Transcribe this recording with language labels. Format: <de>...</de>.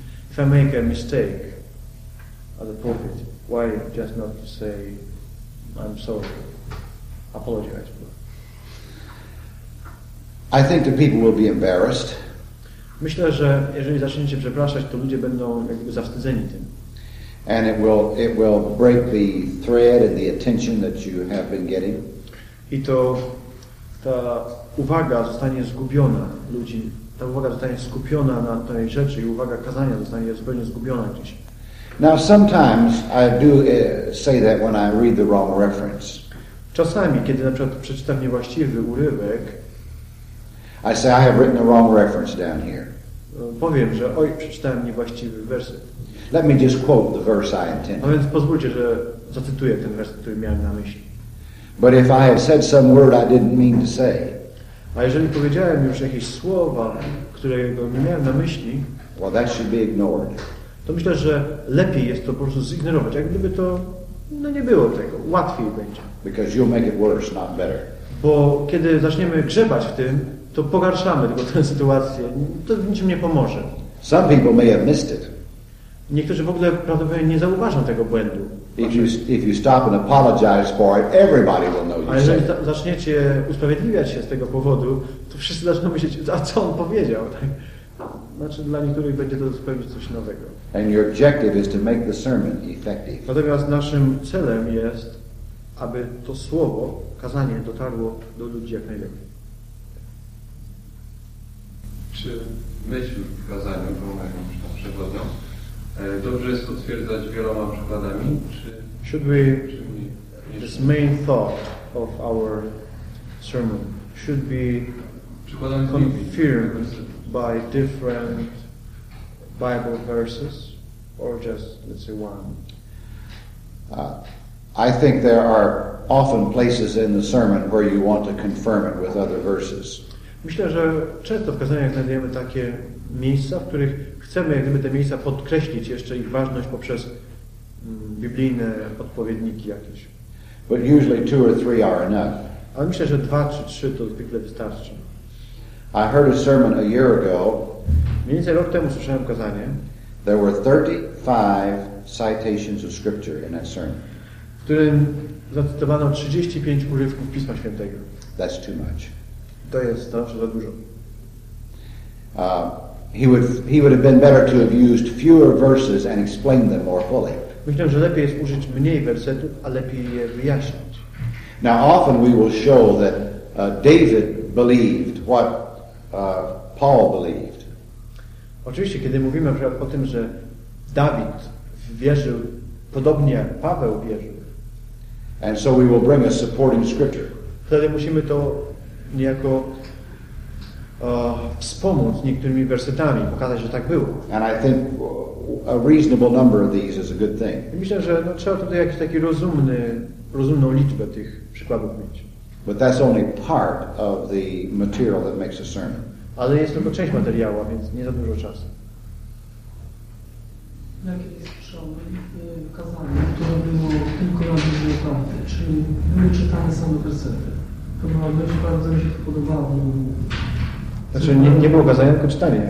<en>If I make a mistake as a prophet, why just not to say I'm sorry, apologize for it? I think the people will be embarrassed.</en> <pl>Myślę, że jeżeli zaczniecie przepraszać, to ludzie będą jakby zawstydzeni tym.</pl> <en>And it will break the thread and the attention that you have been getting.</en> <pl>I to ta uwaga zostanie zgubiona ludzi. Ta uwaga zostanie skupiona na tej rzeczy i uwaga kazania zostanie zupełnie zgubiona gdzieś.</pl> <en>Now sometimes I do say that when I read the wrong reference.</en> <pl>Czasami, kiedy na przykład przeczytam niewłaściwy urywek,</pl> <en>I say I have written the wrong reference down here.</en> <pl>Powiem, że oj, przeczytałem niewłaściwy werset.</pl> <en>Let me just quote the verse I intended.</en> <pl>A więc pozwólcie, że zacytuję ten werset, który miałem na myśli.</pl> <en>But if I have said some word I didn't mean to say.</en> <pl>A jeżeli powiedziałem już jakieś słowa, którego nie miałem na myśli,</pl> <en>well, that should be ignored.</en> <pl>To myślę, że lepiej jest to po prostu zignorować, jak gdyby to no nie było tego. Łatwiej będzie.</pl> <en>Because you'll make it worse, not better.</en> <pl>Bo kiedy zaczniemy grzebać w tym, to pogarszamy tylko tę sytuację. To niczym nie pomoże.</pl> <en>Some people may have missed it.</en> <pl>Niektórzy w ogóle prawdopodobnie nie zauważą tego błędu.</pl> <en>If you stop and apologize for it, everybody will know you said.</en> <pl>A jeżeli zaczniecie usprawiedliwiać się z tego powodu, to wszyscy zaczną myśleć, a co on powiedział? Tak? Znaczy dla niektórych będzie to zupełnie coś nowego.</pl> <en>And your objective is to make the sermon effective.</en> <pl>Natomiast naszym celem jest, aby to słowo, kazanie dotarło do ludzi jak najlepiej. czy myśl w kazaniu, którą jakąś tam przewodnią, dobrze jest to stwierdzać wieloma przykładami, czy...</pl> <en>Should we, this main thought of our sermon, should be confirmed by different Bible verses, or just, let's say, one? I think there are often places in the sermon where you want to confirm it with other verses.</en> <pl>Myślę, że często w kazaniach znajdujemy takie miejsca, w których chcemy, jak gdyby, te miejsca podkreślić jeszcze ich ważność poprzez biblijne odpowiedniki jakieś.</pl> <en>But usually two or three are enough.</en> <pl>Ale myślę, że dwa czy trzy to zwykle wystarczy.</pl> <en>I heard a sermon a year ago.</en> <pl>Mniej więcej rok temu słyszałem kazanie.</pl> <en>There were 35 citations of scripture in that sermon.</en> <pl>W którym zacytowano 35 urywków Pisma Świętego.</pl> <en>That's too much.</en> <pl>To jest to, za dużo.</pl> <en>He would have been better to have used fewer verses and explained them more fully.</en> <pl>Myślę, że lepiej jest użyć mniej wersetów, a lepiej je wyjaśnić.</pl> <en>Now often we will show that David believed what Paul believed.</en> <pl>Oczywiście, kiedy mówimy o tym, że Dawid wierzył podobnie jak Paweł wierzył.</pl> <en>And so we will bring a supporting scripture.</en> <pl>Wtedy musimy to niejako wspomóc niektórymi wersetami, pokazać, że tak było.</pl> <en>And I think a reasonable number of these is a good thing.</en> <pl>Myślę, że no, trzeba tutaj jakiś taki rozumną liczbę tych przykładów mieć.</pl> <en>But that's only part of the material that makes a sermon.</en> <pl>Ale jest tylko część materiału, więc nie za dużo czasu. Jakie jest kazanie, które było tylko na Biblię prawdy? Czyli były czytane same wersety? To ma być bardzo mi się to podobało. Znaczy nie było kazania, tylko czytanie.</pl>